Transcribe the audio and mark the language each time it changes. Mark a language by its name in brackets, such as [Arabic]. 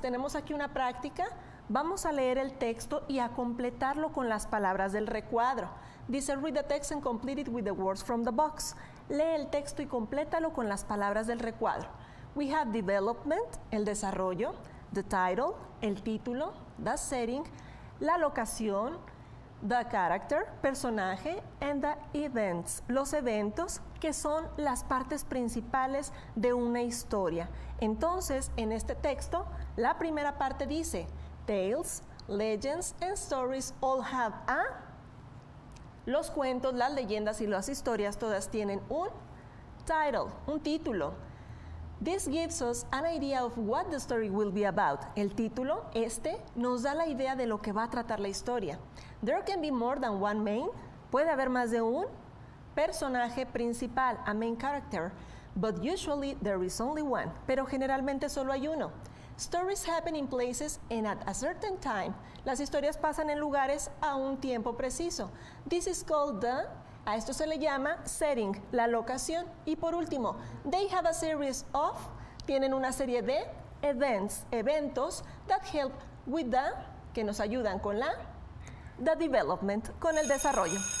[Spanish] Tenemos aquí una práctica. Vamos a leer el texto y a completarlo con las palabras del recuadro. Dice, [English] read the text and complete it with the words from the box. [Spanish] Lee el texto y complétalo con las palabras del recuadro. [English] We have development, [Spanish] el desarrollo, [English] the title, [Spanish] el título, [English] the setting, [Spanish] la locación, [English] the character, [Spanish] personaje, [English] and the events, [Spanish] los eventos, que son las partes principales de una historia. Entonces, en este texto, la primera parte dice, [English] tales, legends, and stories all have a... [Spanish] Los cuentos, las leyendas y las historias todas tienen un title, un título. [English] This gives us an idea of what the story will be about. [Spanish] El título, este, nos da la idea de lo que va a tratar la historia. [English] There can be more than one main. [Spanish] Puede haber más de un personaje principal, [English] a main character. But usually there is only one. [Spanish] Pero generalmente solo hay uno. [English] Stories happen in places and at a certain time. [Spanish] Las historias pasan en lugares a un tiempo preciso. [English] This is called the... [Spanish] A esto se le llama setting, la locación. Y por último, [English] they have a series of, [Spanish] tienen una serie de events, eventos [English] that help with the, [Spanish] que nos ayudan con la, [English] the development, [Spanish] con el desarrollo.